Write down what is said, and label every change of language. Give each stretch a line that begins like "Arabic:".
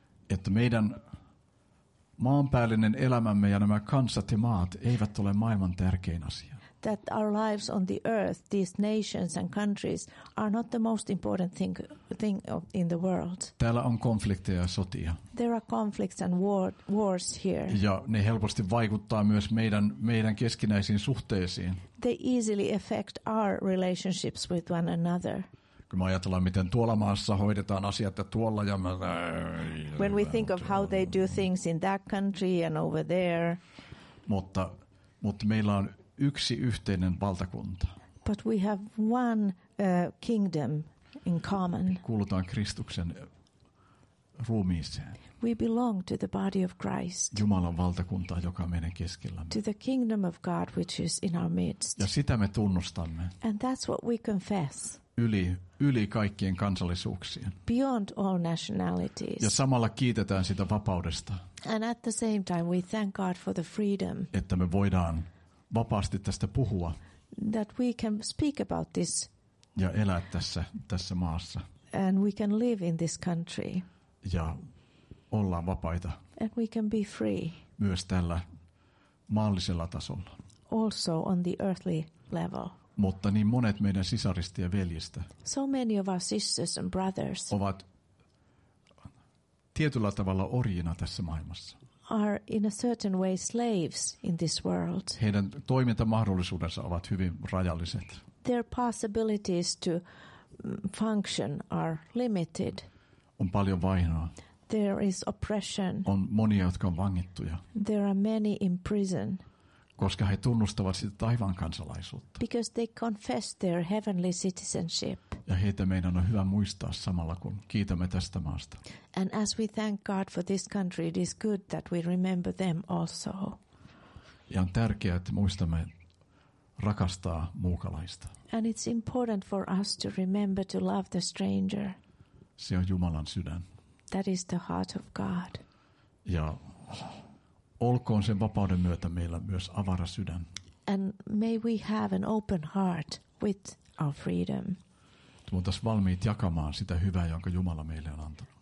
Finnish: Että meidän maanpäällinen elämämme ja nämä kansat ja maat eivät ole maailman tärkein asia.
English: That our lives on the earth, these nations and countries, are not the most important thing in the world.
Finnish: Täällä on konflikteja ja sotia.
English: There are conflicts and wars here.
Finnish: Ja ne helposti vaikuttaa myös meidän keskinäisiin suhteisiin.
English: They easily affect our relationships with one another.
Finnish: Kun me ajatellaan, miten tuolla maassa hoidetaan asiat ja tuolla ja
English: when we think of how they do things in that country and over there.
Finnish: Mutta meillä on yksi yhteinen valtakunta.
English: But we have one kingdom in common.
Finnish: Kuulutaan Kristuksen ruumiiseen.
English: We belong to the body of Christ.
Finnish: Jumalan valtakunta, joka on meidän keskellämme.
English: To the kingdom of God which is in our midst.
Finnish: Ja sitä me tunnustamme.
English: And that's what we confess.
Finnish: Yli kaikkien kansallisuuksien.
English: Beyond all nationalities.
Finnish: Ja samalla kiitetään sitä vapaudesta.
English: And at the same time we thank God for the freedom.
Finnish: Että me voidaan vapaasti tästä puhua.
English: That we can speak about this.
Finnish: Ja elää tässä maassa.
English: And we can live in this country.
Finnish: Ja ollaan vapaita.
English: And we can be free.
Finnish: Myös tällä maallisella tasolla.
English: Also on the earthly level.
Finnish: Mutta niin monet meidän sisarista ja veljistä.
English: So many of our sisters and brothers.
Finnish: Ovat tietyllä tavalla orjina tässä maailmassa.
English: Are in a certain way slaves in this world.
Finnish: Heidän toimintamahdollisuudensa ovat hyvin rajalliset.
English: Their possibilities to function are limited.
Finnish: On paljon vainoa.
English: There is oppression.
Finnish: On monia, jotka on vangittuja.
English: There are many in prison.
Finnish: koska he tunnustavat sitä taivaan kansalaisuutta.
English: Because they confess their heavenly citizenship.
Finnish: Ja heitä meidän on hyvä muistaa samalla kun kiitämme tästä maasta.
English: And as we thank God for this country, it is good that we remember them also.
Finnish: Ja on tärkeää, että muistamme rakastaa muukalaista.
English: And it's important for us to remember to love the stranger.
Finnish: Se on Jumalan sydän.
English: That is the heart of God.
Finnish: Ja olkoon sen vapauden myötä meillä myös avara sydän.
English: And may we have an open heart with our freedom.
Finnish: Me oltaisiin valmiit jakamaan sitä hyvää, jonka Jumala meille on antanut.